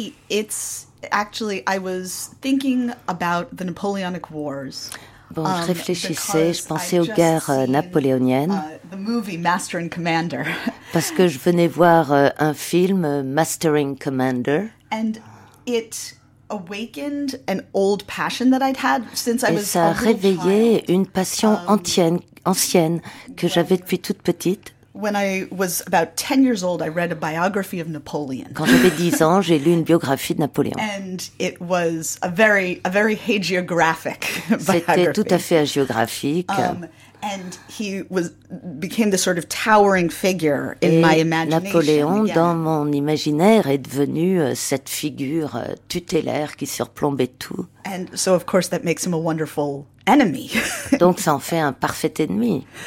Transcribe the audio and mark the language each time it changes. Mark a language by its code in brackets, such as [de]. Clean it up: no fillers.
[en] I was thinking about the Napoleonic Wars. [fr] Bon, je réfléchissais, je pensais aux guerres napoléoniennes. [en] The movie Master and Commander. [fr] Parce que je venais voir un film, Master and Commander. [en] And it awakened an old passion that I'd had since [fr] et [en] I was a little child. [fr] Et ça réveillait une passion ancienne que j'avais depuis toute petite. [en] When I was about 10 years old, I read a biography of Napoleon. [fr] Quand j'avais 10 ans, j'ai lu une biographie de Napoléon. [en] And it was a very hagiographic biography. [fr] C'était tout à fait hagiographique. [en] And he became this sort of towering figure in my imagination. [fr] Napoléon, dans mon imaginaire, est devenu cette figure tutélaire qui surplombait tout. [en] And so, of course, that makes him a wonderful enemy. [fr] Donc, ça en fait un parfait ennemi.